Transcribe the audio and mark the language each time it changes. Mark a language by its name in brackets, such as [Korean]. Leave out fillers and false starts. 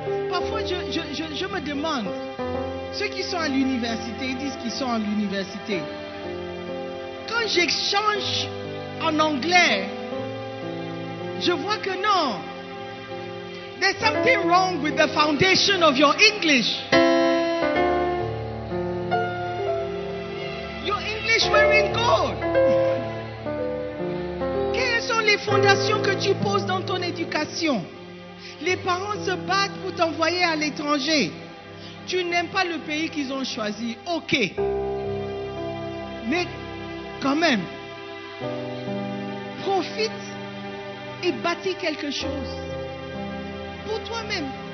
[French] Parfois, je me demande, ceux qui sont à l'université, ils disent qu'ils sont à l'université. Quand j'échange en anglais, je vois que non. [English] There's something wrong with the foundation of your English. Your English wasn't good. [French] Quelles sont les fondations que tu poses dans ton éducation? Les parents se battent pour t'envoyer à l'étranger. Tu n'aimes pas le pays qu'ils ont choisi. Ok. Mais quand même, profite et bâtis quelque chose. Pour toi-même.